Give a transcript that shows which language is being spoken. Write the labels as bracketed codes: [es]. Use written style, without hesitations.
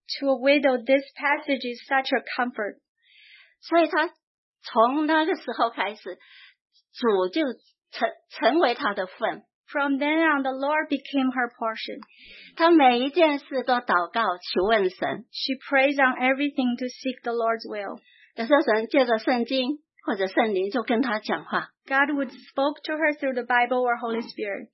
[en] To a widow, this passage is such a comfort. [zh] 所以她从那个时候开始，主就成为她的份。 [en] From then on, the Lord became her portion. [zh] 她每一件事都祷告求问神。 [en] She prays on everything to seek the Lord's will. [zh] 有时候神借着圣经或者圣灵就跟她讲话。 [en] God would spoke to her through the Bible or Holy Spirit.